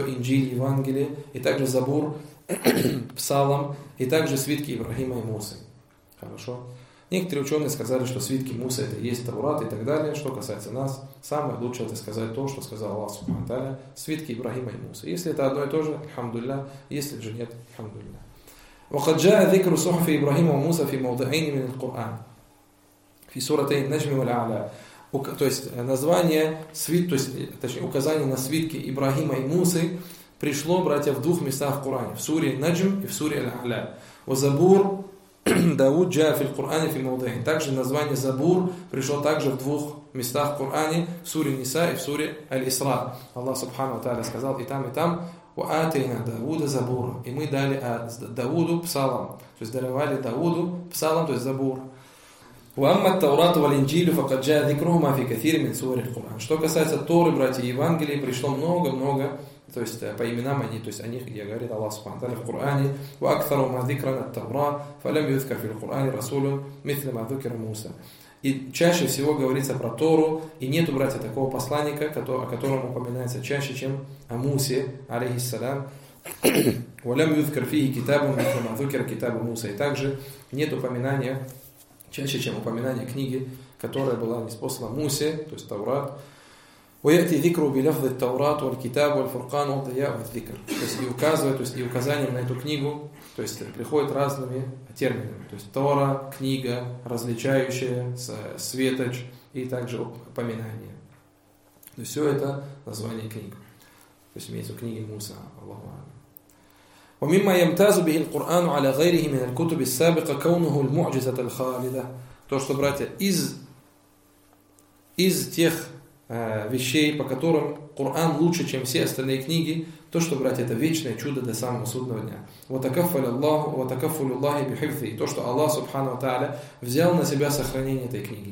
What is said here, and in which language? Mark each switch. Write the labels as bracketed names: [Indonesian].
[Russian] Инджиль, Евангелие, и также Забур, Псалом, и также свитки Ибрахима и Мусы. Хорошо. Некоторые ученые сказали, что свитки Мусы это и есть Таурат и так далее. Что касается нас, самое лучшее это сказать то, что сказал Аллах Субхану Тааля, свитки Ибрахима и Мусы. Если это одно и то же, хамдулля, если же нет, хамдулля. [Arabic] وقد جاء ذكر صحف إبراهيم وموسى في موضعين من القرآن في سورتين النجم والأعلى. [Russian] То есть название свит, то есть точнее указание на свитки Ибрахима и Мусы пришло, братья, в двух местах в Коране, в суре Наджм и в суре Аль-Аля. [Arabic] وزبور داود جاء في القرآن في موضعين. [Russian] Также название Забур пришло также в двух местах в Коране, в суре Ниса и в суре Аль-Исра. Аллах Субхану ва Тааля сказал и там и там. [Arabic] وَآتَيْنَا دَاوُدَ زَبُورًا. [Russian] И мы дали Дауду псалом. То есть даровали Дауду псалом, то есть забур. [Arabic] وَأَمَّا التَّوْرَاةُ وَالْإِنْجِيلُ فَقَدْ جَاءَ ذِكْرُهُمَا فِي كَثِيرٍ مِنْ سُورِ الْقُرْآنِ. [Russian] Что касается Торы, братья, Евангелия, пришло много-много, то есть по именам они, то есть о них, где говорит Аллах Субхану Тааля в Коране. [Arabic] وَأَكْثَرُهُمَا ذِكْرًا التَّوْرَاةُ فَلَمْ يُذْكَرْ فِي الْقُرْآنِ رَسُولٌ مِثْلَ مَا ذُكِرَ مُوسَى. [Russian] И чаще всего говорится про Тору, и нету, братья, такого посланника, о котором упоминается чаще, чем о Мусе, алейхиссалям. [Arabic] «Валям юзкар фихи китабу митлама зукер китабу Муса». [Russian] И также нет упоминания, чаще, чем упоминания книги, которая была ниспослана Мусе, то есть Таурат. [Arabic] ويأتي ذكره بلفظ التوراة والكتاب والفرقان والضياء والذكر. [Russian] То есть и указывает, то есть и указанием на эту книгу, то есть приходит разными терминами. То есть Тора, книга, различающая, светоч и также упоминание. То есть все это название книг. То есть имеется книги Муса, Аллаху Аля. [Arabic] ومما يمتاز به القرآن على غيره من الكتب السابقة كونه المعجزة الخالدة. [Russian] То, что, братья, из тех вещей, по которым Коран лучше, чем все остальные книги, то, что, братья, это вечное чудо до самого судного дня. [Arabic] وتكفل الله بحفظه. [Russian] То, что Аллах, Субхану ва Тааля, взял на себя сохранение этой книги.